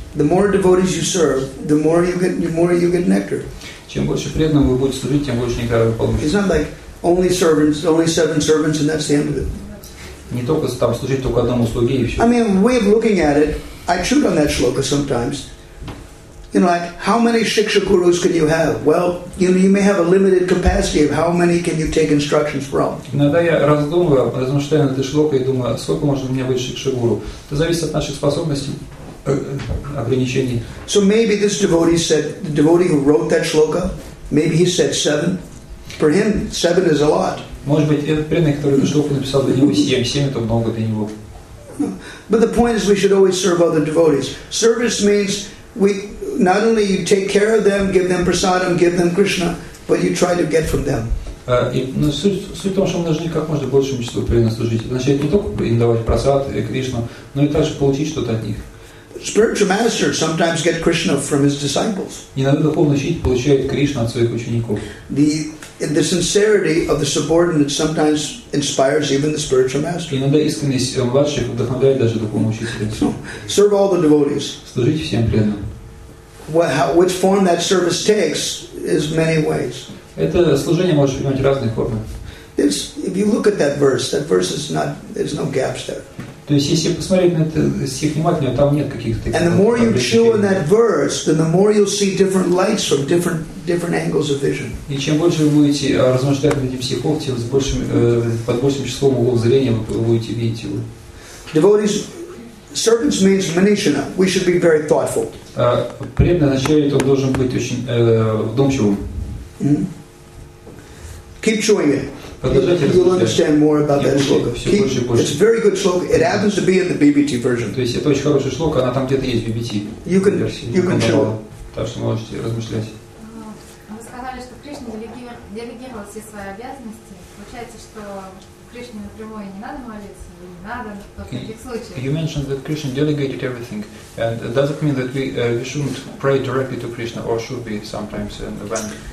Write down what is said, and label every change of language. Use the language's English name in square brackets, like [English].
[English] The more devotees you serve, the more you get nectar. [Russian] Чем больше преданным вы будете служить, тем больше нектара вы получите. [English] It's not like only seven servants, and that's the end of it. [Russian] Не только там служить только одному слуге и все. [English] I mean, way of looking at it, I chewed on that shloka sometimes. You know, like how many shiksha gurus can you have? Well, you know, you may have a limited capacity of how many can you take instructions from. [Russian] Иногда я размышляю над этой шлокой и думаю, сколько можно у меня быть шикша гуру? Это зависит от наших способностей. Ограничений. [English] So maybe this devotee said, the devotee who wrote that shloka, maybe he said seven. For him, seven is a lot. [Russian] Может быть, этот преданный, который эту шлоку написал, для него семь это много для него. [English] But the point is, we should always serve other devotees. Service means we not only you take care of them, give them prasadam, give them Krishna, but you try to get from them. [Russian] Суть в том, что мы должны как можно большему числу преданных служить. Начать не только им давать прасад и Кришну, но и также получить что-то от них. [English] Spiritual masters sometimes get Krishna from his disciples. [Russian] Иногда духовный учитель получает Кришну от своих учеников. [English] The sincerity of the subordinate sometimes inspires even the spiritual master. [Russian] Иногда искренность младших вдохновляет даже духовного учителя. [English] Serve all the devotees. [Russian] Служите всем преданным. [English] Which form that service takes is many ways. [Russian] Это служение может принимать разные формы. [English] If you look at that verse is not, there's no gaps there. [Russian] То есть, если посмотреть на это стих внимательно, там нет каких-то таких. [English] And the more you chew on that verse, then the more you'll see different lights from different angles of vision. [Russian] И чем больше вы будете размышлять над этим стихом, тем под большим числом углов зрения вы будете видеть его. [English] Devotees, servants means manishana. We should be very thoughtful. [Russian] Преданный означает, он должен быть очень вдумчивым. [English] Keep chewing it. You'll understand more about that shloka. It's a very good shloka. It happens to be in the BBT version. [Russian] То есть это очень хорошая шлока, она там где-то есть в BBT. [English] You can show. [Russian] Так что можете размышлять. Вы сказали, что Кришна делегировал все свои обязанности. Получается, что Кришне напрямую не надо молиться, не надо в таких случаях. [English] You mentioned that Krishna delegated everything, and does it mean that we shouldn't pray directly to Krishna, or should be sometimes in the van?